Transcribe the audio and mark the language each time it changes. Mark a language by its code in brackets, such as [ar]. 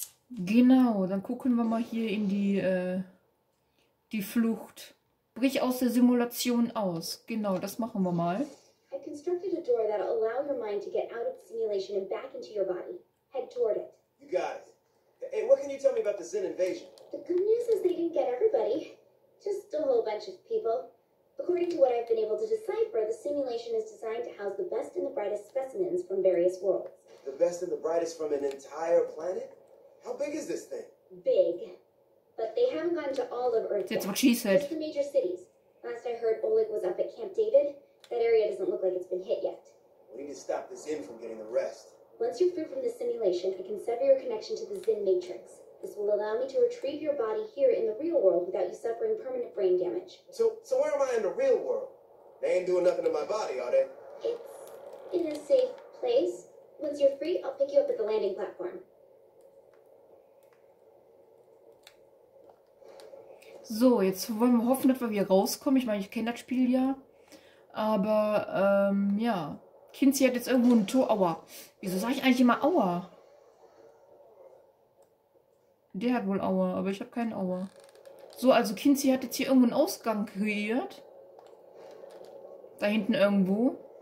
[de] Genau, dann gucken wir mal hier in die Flucht. Brich aus der Simulation aus. Genau, das machen wir mal. [en] I constructed a door that'll allow your mind to get out of the simulation and back into your body. Head toward it. You got it. Hey, what can you tell me about the Zen invasion? The good news is they didn't get everybody. Just a whole bunch of people. According to what I've been able to decipher, the simulation is designed to house the best and the brightest specimens from various worlds. The best and the brightest from an entire planet? How big is this thing? Big. But they haven't gotten to all of Earth yet. That's what she said. Just the major cities. Last I heard, Oleg was up at Camp David. That area doesn't look like it's been hit yet. We need to stop the Zen from getting the rest. Once you're free from the simulation, I can sever your connection to the Zen Matrix. This will allow me to retrieve your body here in the real world without you suffering permanent brain damage. So where am I in the real world? They ain't doing nothing to my body, are they? It's in a safe place. Once you're free, I'll pick you up at the landing platform. [de] So, jetzt wollen wir hoffen, dass wir wieder rauskommen. Ich meine, ich kenne das Spiel ja. Aber, ja. Kinzi hat jetzt irgendwo ein Tor. Aua. Wieso sage ich eigentlich immer Aua? Der hat wohl Aua, aber ich habe keinen Aua. So, also Kinzi hat jetzt hier irgendwo einen Ausgang kreiert. Da hinten irgendwo.